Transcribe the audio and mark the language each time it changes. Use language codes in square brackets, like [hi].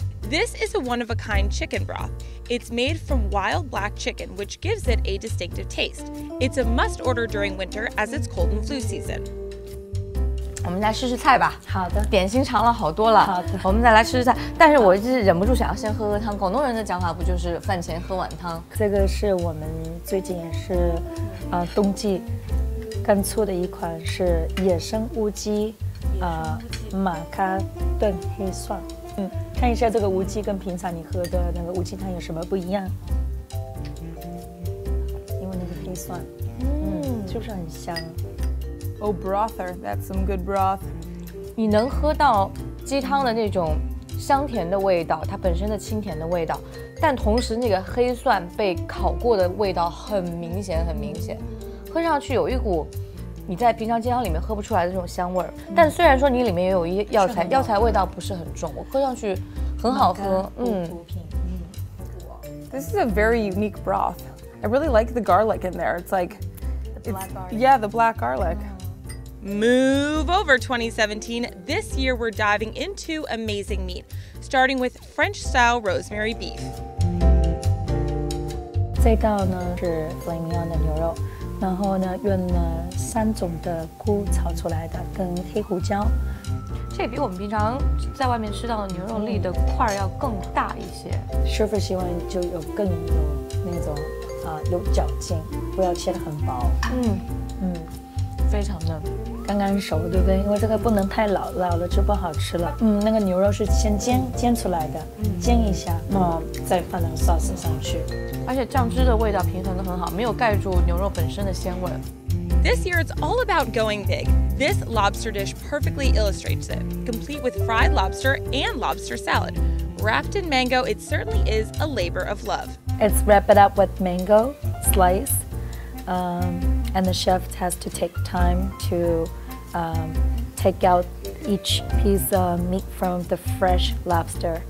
[en] This is a one-of-a-kind chicken broth. It's made from wild black chicken, which gives it a distinctive taste. It's a must order during winter as it's cold and flu season. [zh] 我们再试试菜吧。好的。点心尝了好多了。好的。我们再来试试菜，但是我就是忍不住想要先喝喝汤。广东人的讲法不就是饭前喝碗汤？这个是我们最近是，冬季干醋的一款是野生乌鸡，马咖炖黑蒜。看一下这个乌鸡跟平常你喝的那个乌鸡汤有什么不一样？因为那个黑蒜，就是很香。 [en] Oh, brother, that's some good broth. [zh] 你能喝到鸡汤的那种香甜的味道，它本身的清甜的味道，但同时那个黑蒜被烤过的味道很明显，很明显，喝上去有一股你在平常鸡汤里面喝不出来的这种香味儿。但虽然说你里面也有一些药材，药材味道不是很重，我喝上去很好喝。 [en] This is a very unique broth. I really like the garlic in there. It's like, the black garlic. Move over 2017. This year we're diving into amazing meat, starting with French style rosemary beef. [zh] 这道呢是 filet mignon 的牛肉，然后呢用了三种的菇炒出来的，跟黑胡椒。这比我们平常在外面吃到的牛肉粒的块要更大一些。师傅希望就有更有那种有嚼劲，不要切得很薄。非常的刚刚熟，对不对？因为这个不能太老，老了就不好吃了。那个牛肉是先煎出来的，煎一下，再放到 sauce 上去。而且酱汁的味道平衡得很好，没有盖住牛肉本身的鲜味。 [en] This year it's all about going big. This lobster dish perfectly illustrates it, complete with fried lobster and lobster salad. Wrapped in mango, it certainly is a labor of love. It's wrap it up with mango slice. And the chef has to take time to take out each piece of meat from the fresh lobster.